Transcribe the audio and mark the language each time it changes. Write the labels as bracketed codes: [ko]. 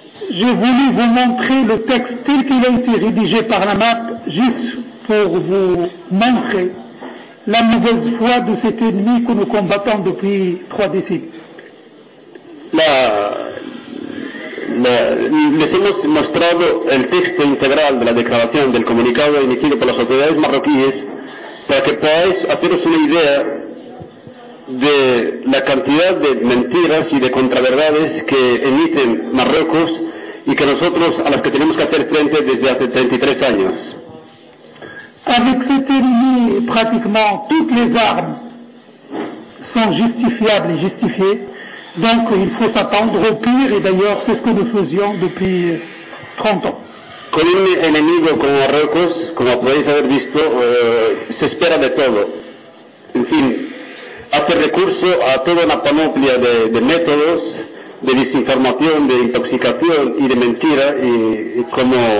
[fr] J'ai voulu vous montrer le texte tel qu'il a été rédigé par la MAP juste pour vous montrer la mauvaise foi de cet ennemi que nous combattons depuis trois décennies. [es] Les hemos mostrado el texto integral de la declaración del comunicado emitido por las autoridades marroquíes para que podáis haceros una idea de la cantidad de mentiras y de contraverdades que emiten Marruecos y que nosotros a las que tenemos que hacer frente desde hace 33 años. [fr] Avec cet ennemi, pratiquement toutes les armes sont justifiables et justifiées. Donc il faut s'attendre au pire, et d'ailleurs c'est ce que nous faisions depuis 30 ans. [es] Con un enemigo como Marruecos, como podéis haber visto, se espera de todo. En fin, hace recurso a toda una panoplia de métodos de desinformación, de intoxicación y de mentira, y como...